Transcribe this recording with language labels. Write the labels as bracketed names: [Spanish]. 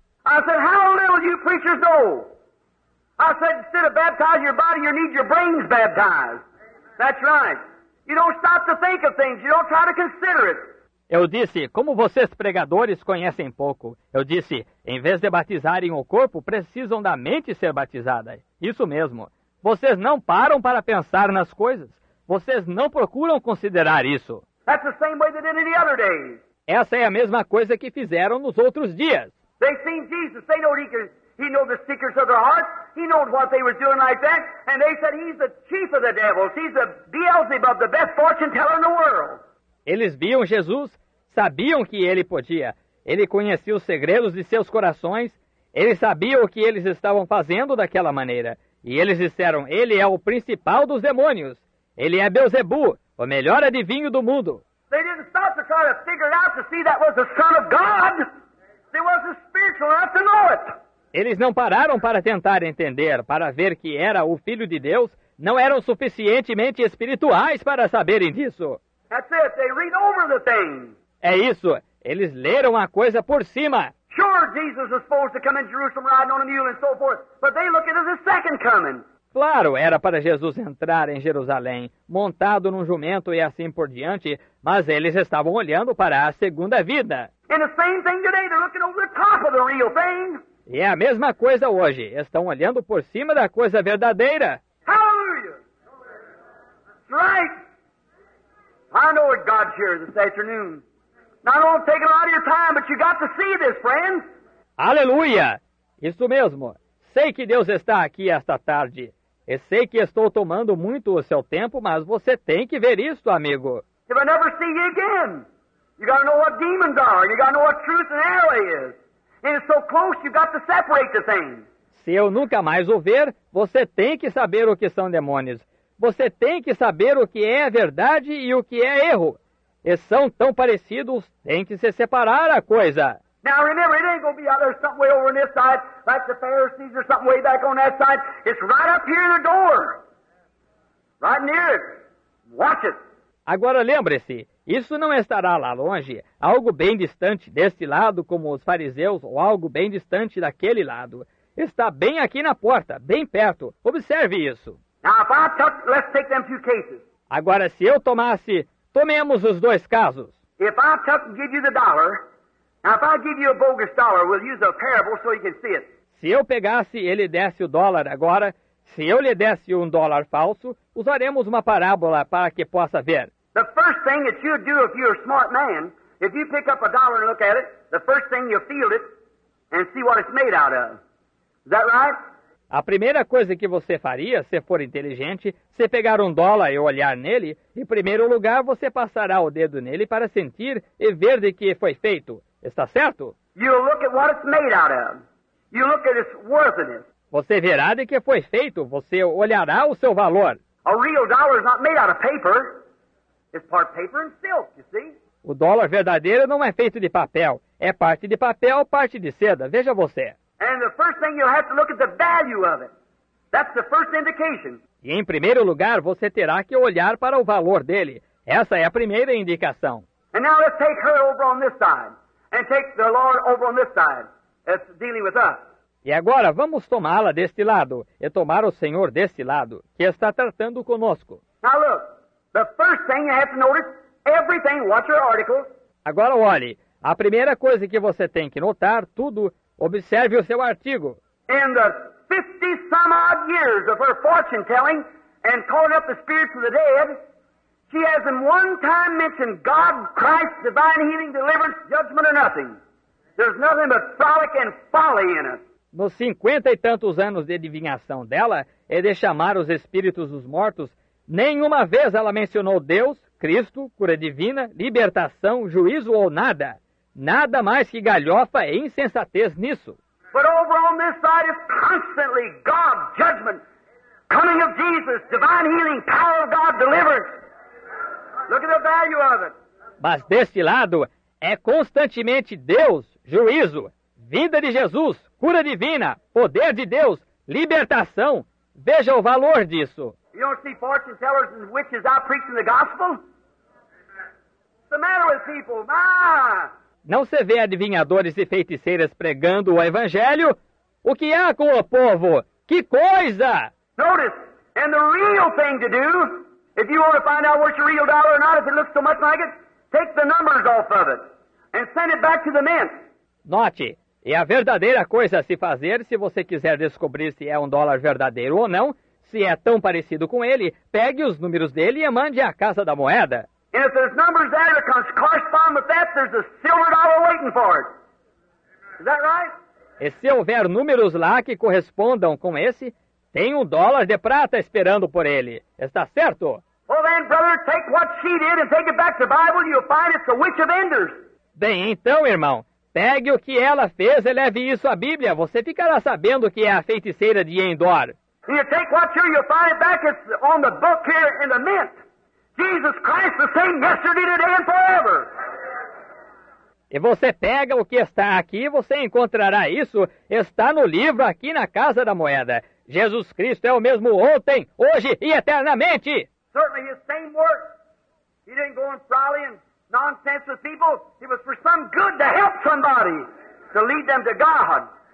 [English] I said, how little you preachers know? I said, instead of baptizing your body, you need your brains baptized. That's right. You don't stop to think of things. You don't try to consider it. [Portuguese] Eu disse, como vocês pregadores conhecem pouco, eu disse, em vez de batizarem o corpo, precisam da mente ser batizada. Isso mesmo. Vocês não param para pensar nas coisas. Vocês não procuram considerar isso. [English] That's the same way they did in the other days. [Portuguese] Essa é a mesma coisa que fizeram nos outros dias. [English] They've seen Jesus. They know he knows the secrets of their hearts. He knows what they were doing like that. And they said he's the chief of the devils. He's the Beelzebub, the best fortune teller in the world. [Portuguese] Eles viam Jesus, sabiam que ele podia. Ele conhecia os segredos de seus corações. Ele sabia o que eles estavam fazendo daquela maneira. E eles disseram, ele é o principal dos demônios. Ele é Beelzebu, o melhor adivinho do mundo. [English] They didn't stop to try to figure out to see that was the Son of God. They wasn't spiritual enough to know it. [Portuguese] Eles não pararam para tentar entender, para ver que era o Filho de Deus, não eram suficientemente espirituais para saberem disso. [English] That's it. They read over the thing. [Portuguese] É isso. Eles leram a coisa por cima. [English] Sure, Jesus was supposed to come in Jerusalem riding on a mule and so forth, but they look at it as a second coming. [Portuguese] Claro, era para Jesus entrar em Jerusalém, montado num jumento e assim por diante, mas eles estavam olhando para a segunda vida. [English] And the same thing today, they're looking over the top of the real thing. [Portuguese] E é a mesma coisa hoje. Estão olhando por cima da coisa verdadeira. [English] Hallelujah! That's right. I know what God's here this afternoon. Not only take a lot of your time, but you got to see this, friend. [Portuguese] Hallelujah! Isso mesmo. Sei que Deus está aqui esta tarde. E sei que estou tomando muito o seu tempo, mas você tem que ver isto, amigo. [English] If I never see you again, you got to know what demons are. You got to know what truth and error is. And it's so close, you've got to separate the thing. [Portuguese] Se eu nunca mais o ver, você tem que saber o que são demônios. Você tem que saber o que é a verdade e o que é erro. E são tão parecidos, tem que se separar a coisa. [English] Now remember, it ain't gonna be out there somewhere over on this side, like the Pharisees or something way back on that side. It's right up here in the door. Right near it. Watch it. [Portuguese] Agora lembre-se. Isso não estará lá longe, algo bem distante deste lado, como os fariseus, ou algo bem distante daquele lado. Está bem aqui na porta, bem perto. Observe isso. [English] Now, if I touch, let's take them two cases. [Portuguese] Agora, se eu tomasse, tomemos os dois casos. [English] If I touch and give you the dollar, now if I give you a bogus dollar, we'll use a parable so you can see it. [Portuguese] Se eu pegasse e lhe desse o dólar agora, se eu lhe desse um dólar falso, usaremos uma parábola para que possa ver. [English] The first thing that you do if you're a smart man, if you pick up a dollar and look at it, the first thing you feel it and see what it's made out of. Is that right? [Portuguese] A primeira coisa que você faria, se for inteligente, se pegar um dólar e olhar nele, em primeiro lugar você passará o dedo nele para sentir e ver de que foi feito. Está certo? [English] You look at what it's made out of. You look at its worthiness. [Portuguese] Você verá de que foi feito. Você olhará o seu valor. [English] A real dollar is not made out of paper. It's part paper and silk, you see? [Portuguese] O dólar verdadeiro não é feito de papel. É parte de papel, parte de seda. Veja você. [English] And the first thing you'll have to look at the value of it. That's the first indication. [Portuguese] E em primeiro lugar, você terá que olhar para o valor dele. Essa é a primeira indicação. [English] And now let's take her over on this side. And take the Lord over on this side. That's dealing with us. [Portuguese] E agora, vamos tomá-la deste lado. E tomar o Senhor deste lado, que está tratando conosco. [English] Now look. The first thing you have to notice, everything, watch your article. [Portuguese] Agora olhe, a primeira coisa que você tem que notar, tudo, observe o seu artigo. [English] In the 50 some odd years of her fortune telling and calling up the spirits of the dead, she hasn't one time mentioned God, Christ, divine healing, deliverance, judgment or nothing. There's nothing but frolic and folly in it. [Portuguese] Nos 50 e tantos anos de adivinhação dela, é de chamar os espíritos dos mortos. Nenhuma vez ela mencionou Deus, Cristo, cura divina, libertação, juízo ou nada. Nada mais que galhofa e insensatez nisso. [English] But over on this side is constantly God, judgment, coming of Jesus, divine healing, power of God, deliverance. Look at the value of it. [Portuguese] Mas deste lado é constantemente Deus, juízo, vinda de Jesus, cura divina, poder de Deus, libertação. Veja o valor disso. [English] You don't see fortune tellers and witches out preaching the gospel? What's the matter with people? [Portuguese] Não se vê adivinhadores e feiticeiras pregando o evangelho? O que há com o povo? Que coisa! [English] Notice, and the real thing to do, if you want to find out what's your real dollar or not, if it looks so much like it, take the numbers off of it and send it back to the mint. [Portuguese] Note, e a verdadeira coisa a se fazer, se você quiser descobrir se é um dólar verdadeiro ou não, se é tão parecido com ele, pegue os números dele e mande à casa da moeda. [English] And if there's numbers there that comes correspond with that, there's a silver dollar waiting for it. Is that right? [Portuguese] E se houver números lá que correspondam com esse, tem um dólar de prata esperando por ele. Está certo? [English] Well then, brother, take what she did and take it back to the Bible, you'll find it's the witch of Enders. [Portuguese] Bem, então, irmão, pegue o que ela fez e leve isso à Bíblia. Você ficará sabendo que é a feiticeira de Endor. [English] And you take what you'll find it back, it's on the book here in the mint. Jesus Christ, the same yesterday, today, and forever. [Portuguese] E você pega o que está aqui e você encontrará isso. Está no livro aqui na Casa da Moeda. Jesus Cristo é o mesmo ontem, hoje e eternamente. [English] Certainly his same work. He didn't go on prowling and nonsense with people. It was for some good to help somebody, to lead them to God.